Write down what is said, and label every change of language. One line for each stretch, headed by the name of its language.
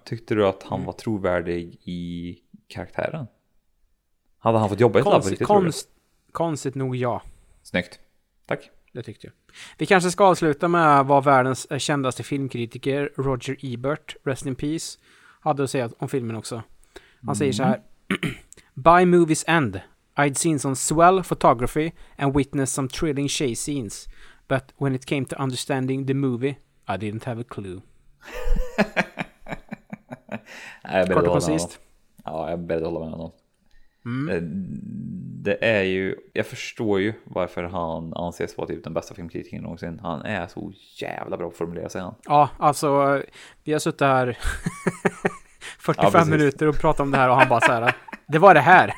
Swedish: Tyckte du att han var trovärdig i karaktären? Hade han fått jobba i labbet? Konstigt nog ja. Snyggt. Tack. Det tyckte jag. Vi kanske ska avsluta med vad världens kändaste filmkritiker Roger Ebert,
English: rest in peace,
Swedish: hade att säga om filmen också. Han säger så här:
English: by movie's end, I'd seen some swell photography and witnessed some thrilling chase scenes, but when it came to understanding the movie, I didn't have a clue.
Swedish: Kort och koncist. Ja, jag började hålla med honom. Det är ju, jag förstår ju varför han anses vara typ den bästa filmkritiken någonsin. Han är så jävla bra att formulera sig. Ja, alltså, vi har suttit här 45 minuter och pratat om det här och han bara så här: det var det här.